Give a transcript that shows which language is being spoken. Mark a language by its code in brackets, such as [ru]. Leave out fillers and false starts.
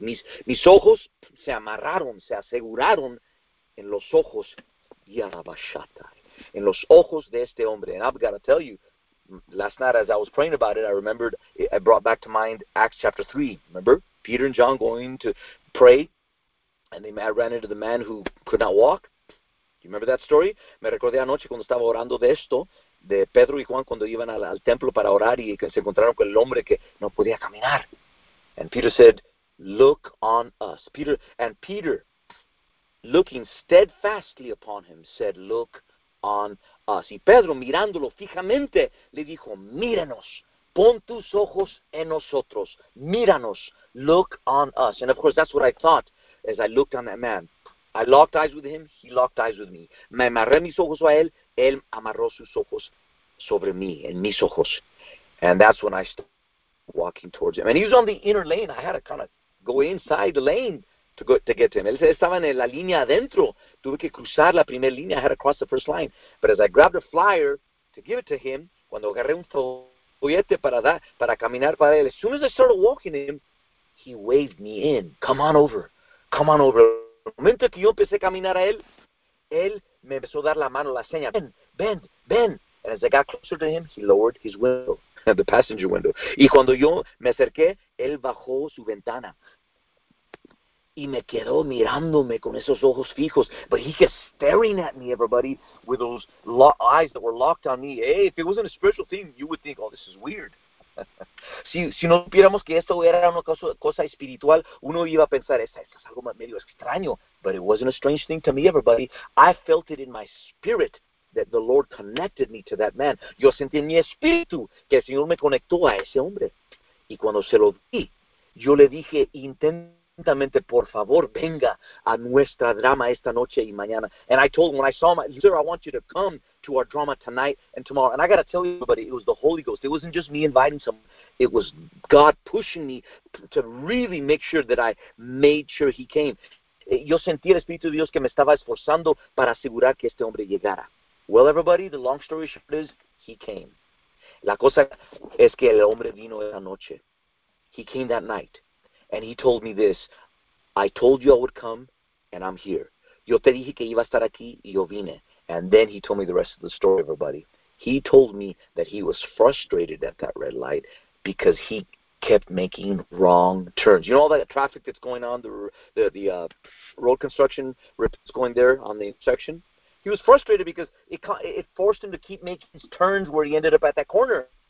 [es] Mis ojos se amarraron, se aseguraron en los ojos. Y arabashata. En los ojos de este hombre. [en] And I've got to tell you, last night as I was praying about it, I remembered, I brought back to mind Acts chapter 3. Remember? Peter and John going to pray, and they ran into the man who could not walk. You remember that story? [es] Me recordé anoche cuando estaba orando de esto, de Pedro y Juan cuando iban al templo para orar y que se encontraron con el hombre que no podía caminar. [en] And Peter said, look on us. Peter, looking steadfastly upon him, said, look on us. [es] Y Pedro, mirándolo fijamente, le dijo, mírenos. Pon tus ojos en nosotros. Míranos. [en] Look on us. And of course, that's what I thought as I looked on that man. I locked eyes with him. He locked eyes with me. [es] Me amarré mis ojos a él. Él amarró sus ojos sobre mí, en mis ojos. [en] And that's when I started walking towards him. And he was on the inner lane. I had to kind of go inside the lane to get to him. [es] Él estaba en la línea adentro. Tuve que cruzar la primera línea. [en] I had to cross the first line. But as I grabbed a flyer to give it to him, [es] cuando agarré un folleto para caminar para él, [en] as soon as I started walking him, he waved me in. Come on over. Come on over. [es] El momento que yo empecé a caminar a él, él me empezó a dar la mano, la seña. Ven, ven, ven. [en] And as I got closer to him, he lowered his window, the passenger window. [es] Y cuando yo me acerqué, él bajó su ventana. Y me quedó mirándome con esos ojos fijos. [en] But he kept staring at me, everybody, with those eyes that were locked on me. Hey, if it wasn't a spiritual thing, you would think, oh, this is weird. [es] Si no supiéramos que esto era una cosa espiritual, uno iba a pensar, esto es algo medio extraño. [en] But it wasn't a strange thing to me, everybody. I felt it in my spirit that the Lord connected me to that man. [es] Yo sentí en mi espíritu que el Señor me conectó a ese hombre. Y cuando se lo vi, yo le dije, intentamente, por favor, venga a nuestra drama esta noche y mañana. [en] And I told him, when I saw him, sir, I want you to come to our drama tonight and tomorrow. And I got to tell you, everybody, it was the Holy Ghost. It wasn't just me inviting someone. It was God pushing me to really make sure that I made sure he came. [es] Yo sentí el Espíritu de Dios que me estaba esforzando para asegurar que este hombre llegara. [en] Well, everybody, the long story short is, he came. [es] La cosa es que el hombre vino esa noche. [en] He came that night. And he told me this, I told you I would come, and I'm here. [es] Yo te dije que iba a estar aquí, y yo vine. [en] And then he told me the rest of the story, everybody. He told me that he was frustrated at that red light because he kept making wrong turns. You know all that traffic that's going on, the road construction that's going there on the intersection? He was frustrated because it forced him to keep making his turns where he ended up at that corner.